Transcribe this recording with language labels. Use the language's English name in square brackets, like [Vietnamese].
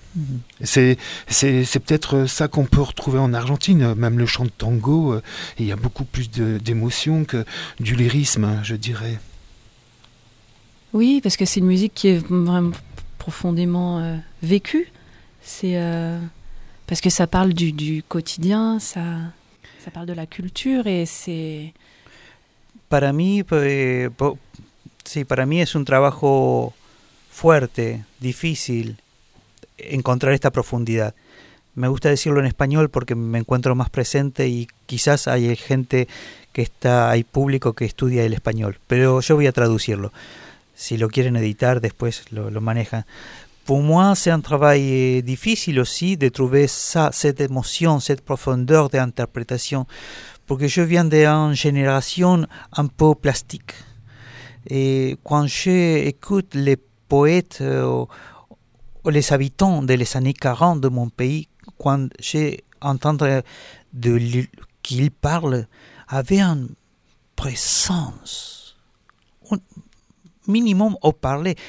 [French] Mm-hmm. C'est peut-être ça qu'on peut retrouver en Argentine, même le chant de tango, il y a beaucoup plus d'émotion que du lyrisme, je dirais. Oui, parce que c'est une musique qui est vraiment profondément vécue. C'est, parce que ça parle du quotidien, ça... Ça parle de la culture et c'est... [Spanish] Para mí es un trabajo fuerte, difícil, encontrar esta profundidad. Me gusta decirlo en español porque me encuentro más presente y quizás hay gente que está, hay público que estudia el español. Pero yo voy a traducirlo. Si lo quieren editar, después lo manejan. [French] Pour moi, c'est un travail difficile aussi de trouver ça, cette émotion, cette profondeur d'interprétation, parce que je viens d'une génération un peu plastique. Et quand j'écoute les poètes ou les habitants des années 40 de mon pays, quand j'entends qu'ils parlent, avaient une présence, un minimum au parler.